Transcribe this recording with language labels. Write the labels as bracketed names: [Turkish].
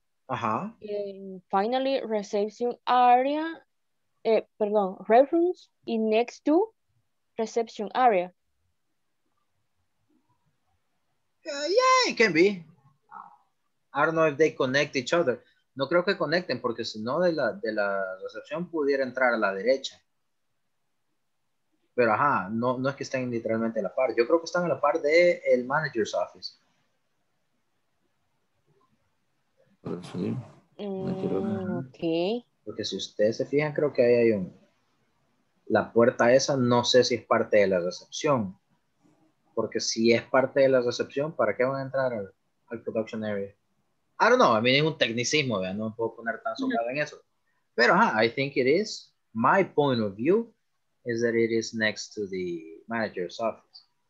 [English] Uh-huh. And finally, reception area. Pardon, reference in next to reception area. Yeah, it can be. I don't know if they connect each other. [Spanish] No creo que conecten, porque si no, de la recepción pudiera entrar a la derecha. Pero ajá, no es que estén literalmente a la par. Yo creo que están a la par de el manager's office. [English] Ok. [Spanish] Porque si ustedes se fijan, creo que ahí hay un... La puerta esa, no sé si es parte de la recepción. Porque si es parte de la recepción, ¿para qué van a entrar al production area? [English] I don't know. I mean, [Spanish] es un tecnicismo, ¿verdad? No me puedo poner tan soplado en eso. [English] Pero, I think it is. My point of view is that it is next to the manager's office.